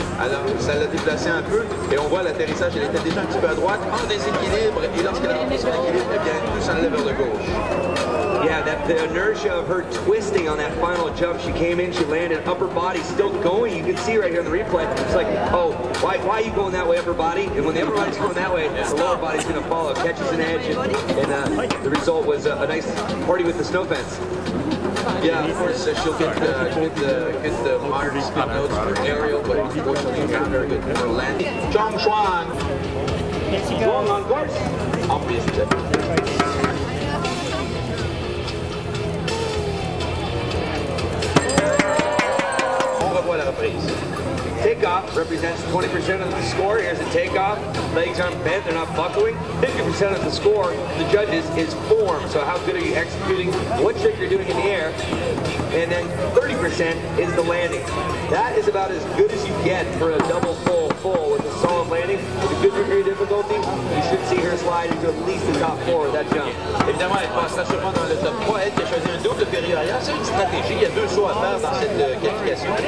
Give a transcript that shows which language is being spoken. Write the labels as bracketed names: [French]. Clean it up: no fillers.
[French] Alors, ça l'a déplacé un peu et on voit l'atterrissage, elle était déjà un petit peu à droite, en déséquilibre, et lorsqu'elle a remis son équilibre, eh bien, elle pousse un lever de gauche. [English] Yeah, that the inertia of her twisting on that final jump, she came in, she landed, upper body still going. You can see right here on the replay, it's like, oh, why are you going that way, upper body? And when the upper body's going that way, the lower body's going to follow, catches an edge, and the result was a nice party with the snow fence. Yeah, of course, she'll get the modern speed notes for aerial, but unfortunately, not very good for landing. Zhang Xuan, going on course. Obviously. [French] On revoit la reprise. [English] Takeoff represents 20% of the score. Here's a takeoff. Legs aren't bent, they're not buckling. 50% of the score, the judges, is form. So how good are you executing? What trick you're doing in the air? And then 30% is the landing. That is about as good as you get for a double full with a solid landing. With a good degree of difficulty, you should see her slide into at least the top four of that jump. [French] Évidemment, elle passe naturellement dans le top 3. Elle a choisi un double périlleur. C'est une stratégie. Il y a deux choix à faire dans cette qualification.